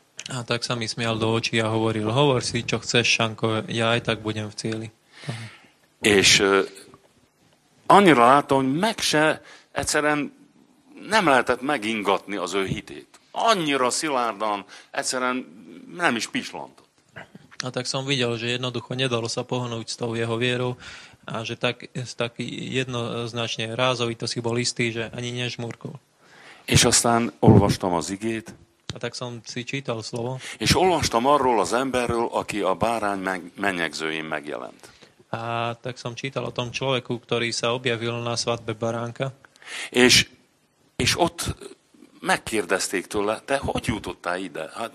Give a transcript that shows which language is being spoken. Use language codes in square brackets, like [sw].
[sk] A tak sa mi smial do očí a hovoril, hovor si, čo chceš, Šanko, ja aj tak budem v cieli. [hu] És annyira látom, hogy meg se egyszerűen nem lehetett megingatni az ő hitét. Annyira szilárdan, egyszerűen nem is pislantott. [sk] A tak som videl, že jednoducho nedalo sa pohnúť s tou jeho vierou a že tak jednoznačne rázový to si bol istý, že ani nežmúrkol. [hu] És aztán olvastam az igét. [sk] A tak som si čítal slovo. [hu] És olvastam arról az emberről, aki a bárány menyegzőjén megjelent. [sk] A tak som čítal o tom človeku, ktorý sa objavil na svadbe baránka. [hu] És ott megkérdezték tőle, te hogy jutottál ide?